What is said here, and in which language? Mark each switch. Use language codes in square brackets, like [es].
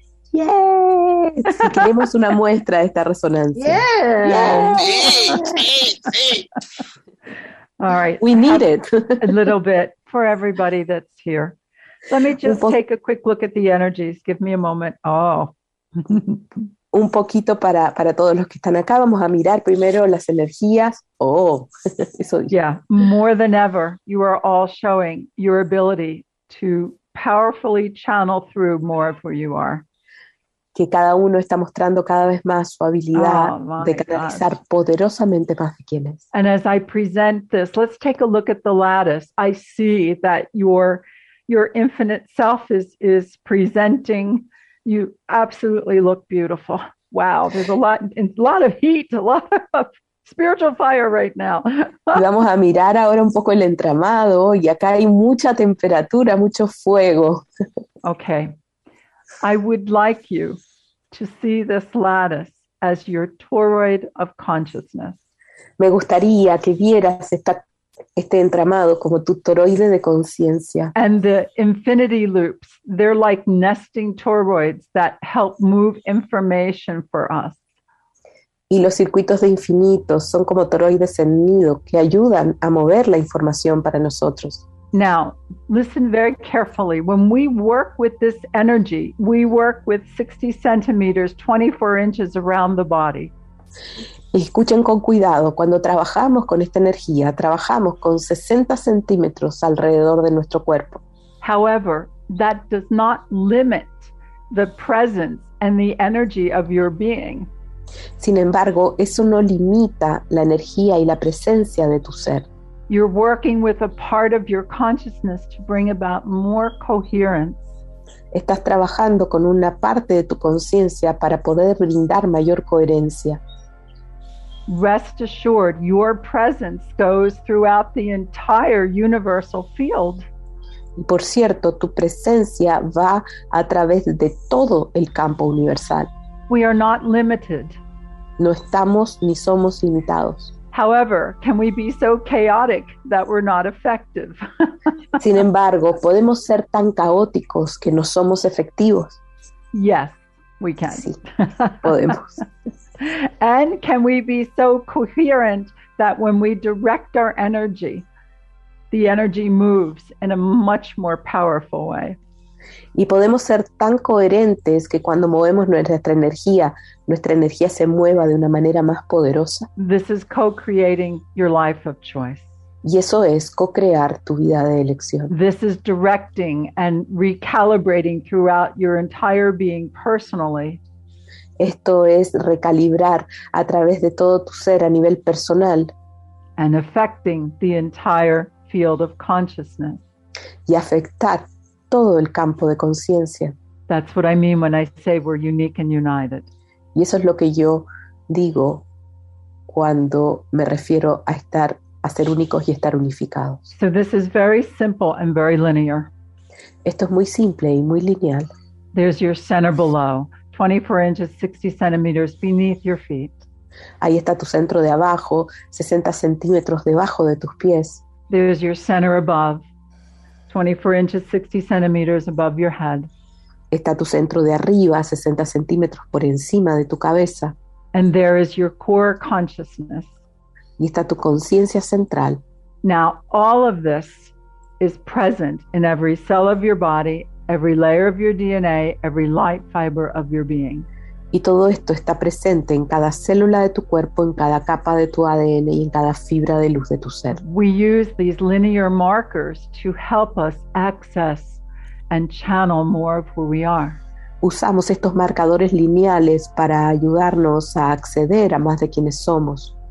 [es] Yes. Si queremos una muestra de esta resonancia. [en] Yes. All right. We need it. A little bit for everybody that's here. Let me just take a quick look at the energies. Give me a moment. Oh. [es] Un poquito para todos los que están acá. Vamos a mirar primero las energías. Oh. Eso dice. [en] Yeah. More than ever, you are all showing your ability to powerfully channel through more of who you are. [es] Que cada uno está mostrando cada vez más su habilidad de canalizar poderosamente más de quién es. [en] And as I present this, let's take a look at the lattice. I see that your infinite self is presenting. You absolutely look beautiful. Wow, there's a lot of heat, a lot of spiritual fire right now. [es] Y vamos a mirar ahora un poco el entramado y acá hay mucha temperatura, mucho fuego. [en] Okay. I would like you to see this lattice as your toroid of consciousness. [es] Me gustaría que vieras este entramado como tu toroide de conciencia. [en] And the infinity loops, they're like nesting toroids that help move information for us. [es] Y los circuitos de infinito son como toroides en nido que ayudan a mover la información para nosotros. [en] Now, listen very carefully. When we work with this energy, we work with 60 centimeters, 24 inches around the body. [es] Escuchen con cuidado. Cuando trabajamos con esta energía, trabajamos con 60 centímetros alrededor de nuestro cuerpo. [en] However, that does not limit the presence and the energy of your being. [es] Sin embargo, eso no limita la energía y la presencia de tu ser. [en] You're working with a part of your consciousness to bring about more coherence. [es] estás trabajando con una parte de tu conciencia para poder brindar mayor coherencia. [en] Rest assured, your presence goes throughout the entire universal field. [es] Y por cierto, tu presencia va a través de todo el campo universal. [en] We are not limited. [es] No estamos ni somos limitados. [en] However, can we be so chaotic that we're not effective? [es] Sin embargo, podemos ser tan caóticos que no somos efectivos. [en] Yes, we can. [es] Sí, podemos. [en] And can we be so coherent that when we direct our energy, the energy moves in a much more powerful way? [es] Y podemos ser tan coherentes que cuando movemos nuestra energía se mueva de una manera más poderosa. [en] This is co-creating your life of choice. [es] Y eso es co-crear tu vida de elección. [en] This is directing and recalibrating throughout your entire being personally. [es] Esto es recalibrar a través de todo tu ser a nivel personal. [en] And affecting the entire field of consciousness. [es] Y afectar todo el campo de conciencia. [en] That's what I mean when I say we're unique and united. [es] Y eso es lo que yo digo cuando me refiero a estar, a ser únicos y estar unificados. [en] So this is very simple and very linear. [es] Esto es muy simple y muy lineal. [en] There's your center below, 24 inches, 60 centimeters beneath your feet. [es] Ahí está tu centro de abajo, 60 centímetros debajo de tus pies. [en] There's your center above, 24 inches, 60 centimeters above your head. [es] Está tu centro de arriba, 60 centímetros por encima de tu cabeza. [en] And there is your core consciousness. [es] Y está tu conciencia central. [en] Now, all of this is present in every cell of your body, every layer of your DNA, every light fiber of your being. [es] Y todo esto está presente en cada célula de tu cuerpo, en cada capa de tu ADN y en cada fibra de luz de tu ser. [en] We use these linear markers to help us access and channel more of who we are. [es] Usamos estos marcadores lineales para ayudarnos a acceder a más de quienes somos.